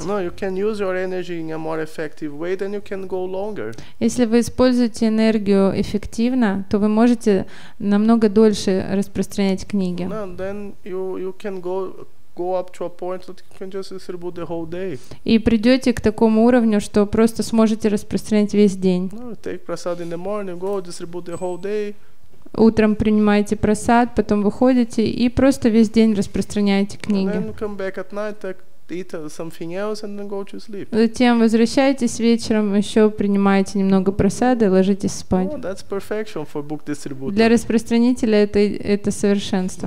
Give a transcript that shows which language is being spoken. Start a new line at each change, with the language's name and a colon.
English: No, you can use your energy in a more effective way, then you can go longer.
Russian: Если вы используете энергию эффективно, то вы можете намного дольше распространять книги.
English: No, then you can go up to a point that you can just distribute the whole day.
Russian: И придете к такому уровню, что просто сможете распространять весь день.
English: No, take prasad in the morning, go distribute the whole day.
Russian: Утром принимаете просад, потом выходите и просто весь день распространяете книги.
English: And then come back at night, eat something else and then go to sleep.
Russian: Затем возвращаетесь вечером, еще принимаете немного просада и ложитесь спать.
English: No, that's perfection for book distributor.
Russian: Для распространителя это совершенство.